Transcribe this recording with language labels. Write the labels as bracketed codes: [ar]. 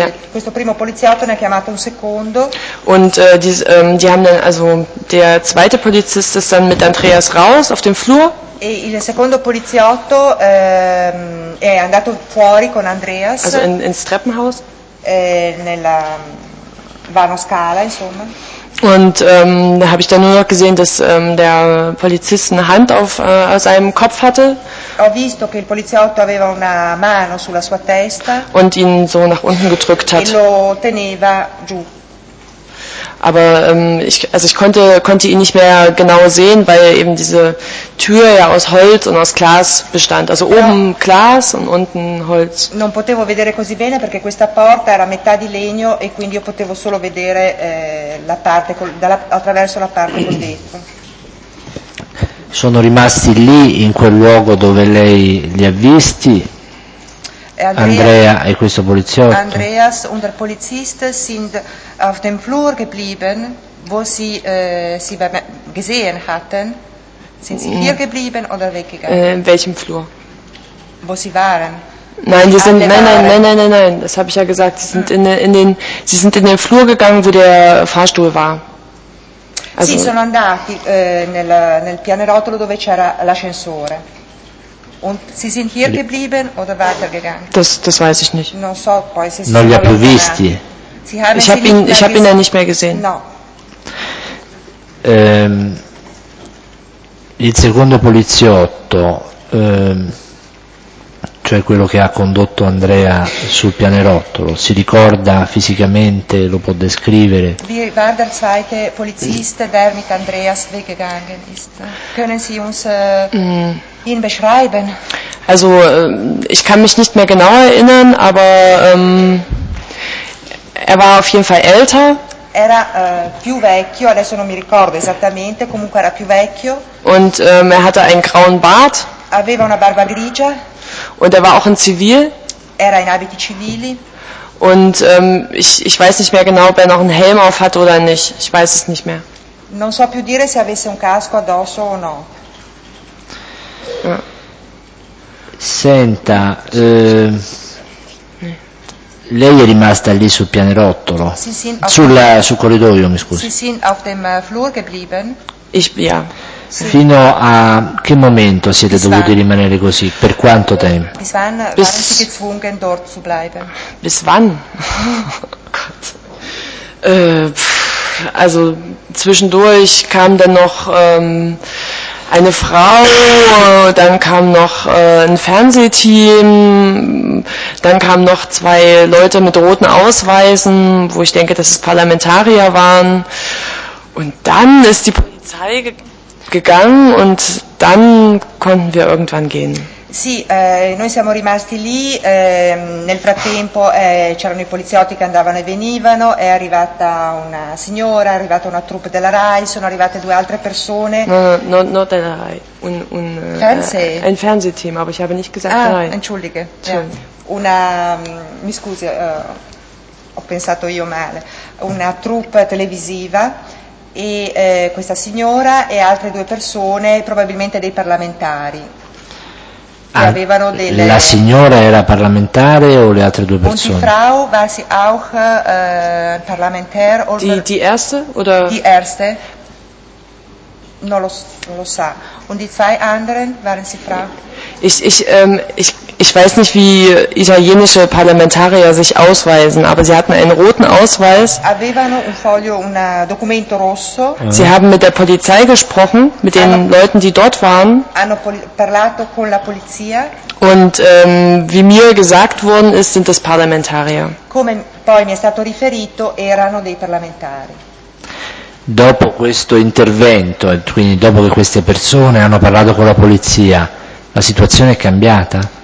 [it] Questo primo poliziotto ne ha chiamato un secondo. [de] Und die haben dann, also der zweite Polizist ist dann mit Andreas raus auf dem Flur. [it] E il secondo poliziotto è andato fuori con Andreas. [de] Also ins Treppenhaus. [it] Nella vano scala, insomma. [de] Und da habe ich dann nur noch gesehen, dass der Polizist eine Hand auf seinem Kopf hatte. [it] Ho visto che il poliziotto aveva una mano sulla sua testa. [de] Und ihn so nach unten gedrückt hat. [it] E lo teneva giù. [de] Aber ich konnte ihn nicht mehr genau sehen, weil eben diese Tür ja aus Holz und aus Glas bestand. Also oben Glas und unten Holz. [it] Non potevo vedere così bene perché questa porta era metà di legno e quindi io potevo solo vedere la parte attraverso la parte col dentro. Sono rimasti lì in quel luogo dove lei li ha visti. Andrea e questo poliziotto. [de] Andreas und der Polizist sind auf dem Flur geblieben, wo sie sie gesehen hatten. Sind sie hier geblieben oder weggegangen? In welchem Flur? Wo sie waren. Nein, die sind, nein, das habe ich ja gesagt. Sie sind in den Flur gegangen, wo der Fahrstuhl war. [it] Also, sie sono andati nel pianerottolo dove c'era l'ascensore. [de] Und sie sind hier geblieben oder weitergegangen? Das weiß ich nicht. [it] Non so, poi se non li ha più visti. [de] Ich hab ihn ja nicht mehr gesehen. [it] No. Il secondo poliziotto, cioè quello che ha condotto Andrea sul pianerottolo, si ricorda fisicamente, lo può descrivere? [de] Wie war der zweite Polizist, der mit Andreas weggegangen ist? Können Sie uns ihn beschreiben? Also, ich kann mich nicht mehr genau erinnern, aber er war auf jeden Fall älter. [it] Era più vecchio, adesso non mi ricordo esattamente, comunque era più vecchio. [de] Und er hatte einen grauen Bart. [it] Aveva una barba grigia. [de] Und er war auch in Zivil. [it] Era in abiti civili. [de] Und ich weiß nicht mehr genau, ob er noch einen Helm auf hatte oder nicht. Ich weiß es nicht mehr. [it] Non so più dire se avesse un casco addosso o no. Senta, lei è rimasta lì sul pianerottolo, sul corridoio, mi scusi. [de] Sie sind auf dem Flur geblieben. Ich, ja. [it] Fino a che momento siete dovuti rimanere così? Per quanto tempo? [de] Bis wann waren Sie gezwungen, dort zu bleiben? Bis wann? Oh Gott. Also zwischendurch kam dann noch eine Frau, dann kam noch ein Fernsehteam, dann kamen noch zwei Leute mit roten Ausweisen, wo ich denke, dass es Parlamentarier waren. Und dann ist die Polizei gegangen und dann konnten wir irgendwann gehen. [it] Sì, noi siamo rimasti lì, nel frattempo c'erano i poliziotti che andavano e venivano, è arrivata una signora, è arrivata una troupe della RAI, sono arrivate due altre persone. [de] No, not [it] della RAI, un [de] Fernsehteam, aber ich habe nicht gesagt RAI. Ah, entschuldige, ja. [it] Mi scusi, ho pensato io male, una troupe televisiva. E questa signora e altre due persone, probabilmente dei parlamentari, avevano delle... La signora era parlamentare o le altre due persone? [de] Und die Frau war sie auch parlamentär oder die erste oder die erste? [it] Non lo sa. [de] Und die zwei anderen waren sie Frau? Ich weiß nicht, wie italienische Parlamentarier sich ausweisen, aber sie hatten einen roten Ausweis. [it] Avevano un foglio, un documento rosso. [de] Sie haben mit der Polizei gesprochen, mit den Leuten, die dort waren. [it] Hanno parlato con la polizia. [de] Und wie mir gesagt worden ist, sind das Parlamentarier. [it] Come poi mi è stato riferito, erano dei parlamentari. Dopo questo intervento, quindi dopo che queste persone hanno parlato con la polizia, la situazione è cambiata?